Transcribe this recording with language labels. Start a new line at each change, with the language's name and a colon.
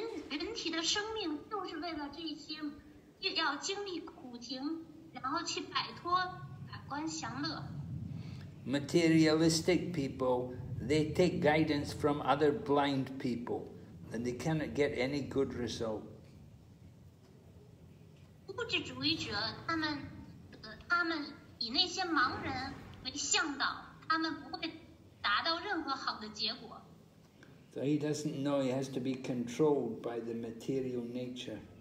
Chinese: 人体的生命就是为了这些，要经历苦行，然后去摆脱感官享乐。
English: Materialistic people, they take guidance from other blind people, and they cannot get any good result.
Chinese: 物质主义者，他们以那些盲人为向导，他们不会达到任何好的结果。
English: So he doesn't know, he has to be controlled by the material nature.